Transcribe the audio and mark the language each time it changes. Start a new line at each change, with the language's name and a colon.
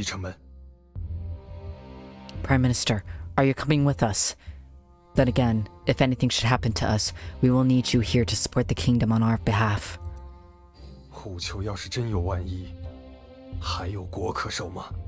Chinese: 在安全的地带围住虎丘，现在就开始召百姓回城，瘴气蔓延到山脚，立刻关闭城门。Prime
English: Minister, are you coming with us? Then again, if anything should happen to us, we will need you here to support the kingdom on our behalf.
Chinese: 虎丘要是真有万一，还有国可守吗？